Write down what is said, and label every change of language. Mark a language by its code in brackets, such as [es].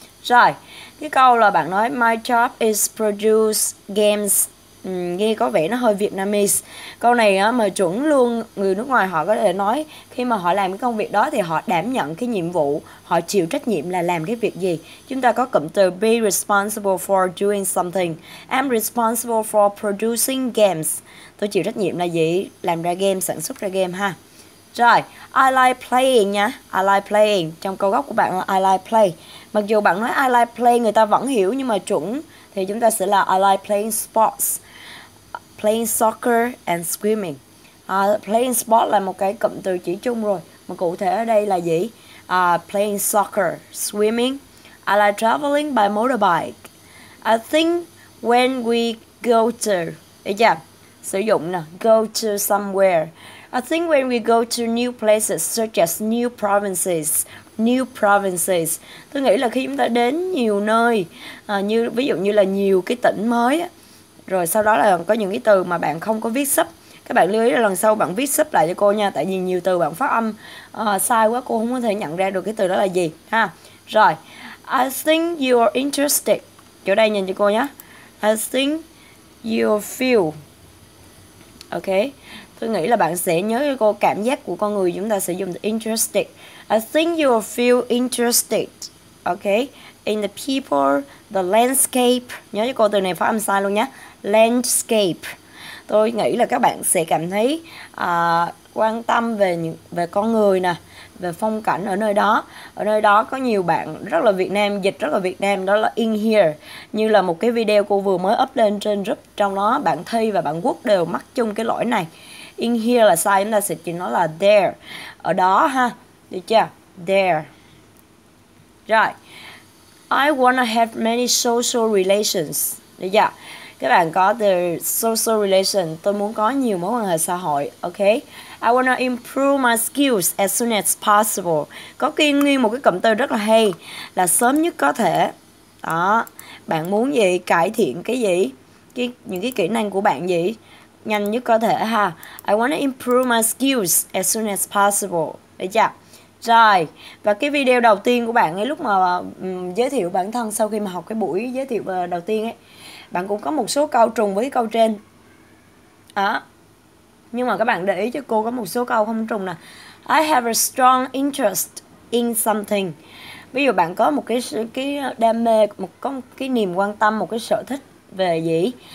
[vi] Rồi, cái câu là bạn nói [en] my job is produce games. [vi] Nghe có vẻ nó hơi Vietnamese. Câu này á, mà chuẩn luôn. Người nước ngoài họ có thể nói khi mà họ làm cái công việc đó thì họ đảm nhận cái nhiệm vụ, họ chịu trách nhiệm là làm cái việc gì. Chúng ta có cụm từ [en] be responsible for doing something. I'm responsible for producing games. [vi] Tôi chịu trách nhiệm là gì? Làm ra game, sản xuất ra game ha. Rồi, [en] I like playing [vi] nha. I like playing. Trong câu gốc của bạn là [en] I like play. [vi] Mặc dù bạn nói I like play người ta vẫn hiểu, nhưng mà chuẩn thì chúng ta sẽ là [en] I like playing sports. Playing soccer and swimming. [vi] Playing sports là một cái cụm từ chỉ chung rồi. Mà cụ thể ở đây là gì? [en] Playing soccer, swimming. I like traveling by motorbike. I think when we go to... [vi] Đấy chưa? Sử dụng nè. [en] Go to somewhere. I think when we go to new places such as new provinces. New provinces. [vi] Tôi nghĩ là khi chúng ta đến nhiều nơi, như ví dụ như là nhiều cái tỉnh mới á. Rồi sau đó là có những cái từ mà bạn không có viết sub. Các bạn lưu ý là lần sau bạn viết sub lại cho cô nha. Tại vì nhiều từ bạn phát âm sai quá, cô không có thể nhận ra được cái từ đó là gì ha. [en] Rồi, I think you're interested. [vi] Chỗ đây nhìn cho cô nhé. [en] I think you'll feel. [vi] Ok, tôi nghĩ là bạn sẽ nhớ cho cô cảm giác của con người. Chúng ta sẽ dùng interested. [en] I think you'll feel interested. Ok, in the people, the landscape. [vi] Nhớ cho cô từ này phát âm sai luôn nhé. Landscape. Tôi nghĩ là các bạn sẽ cảm thấy quan tâm về về con người nè, về phong cảnh ở nơi đó. Ở nơi đó có nhiều bạn rất là Việt Nam, dịch rất là Việt Nam, đó là [en] in here. [vi] Như là một cái video cô vừa mới up lên trên group, trong đó bạn Thi và bạn Quốc đều mắc chung cái lỗi này. [en] In here [vi] là sai, chúng ta sẽ chỉ nói là there. Ở đó ha, được chưa? There. Rồi. [en] I wanna have many social relations. [vi] Được chưa? Các bạn có [en] the social relation. [vi] Tôi muốn có nhiều mối quan hệ xã hội. [en] Ok. I wanna improve my skills as soon as possible. [vi] Có kỳ nguyên một cái cụm từ rất là hay. Là sớm nhất có thể. Đó. Bạn muốn gì? Cải thiện cái gì? Những cái kỹ năng của bạn gì? Nhanh nhất có thể ha. [en] I wanna improve my skills as soon as possible. [vi] Được chưa? Rồi, và cái video đầu tiên của bạn ấy lúc mà giới thiệu bản thân sau khi mà học cái buổi giới thiệu đầu tiên ấy, bạn cũng có một số câu trùng với câu trên. Đó. Nhưng mà các bạn để ý cho cô có một số câu không trùng nè. [en] I have a strong interest in something. [vi] Ví dụ bạn có một cái đam mê, có một cái niềm quan tâm, một cái sở thích về gì?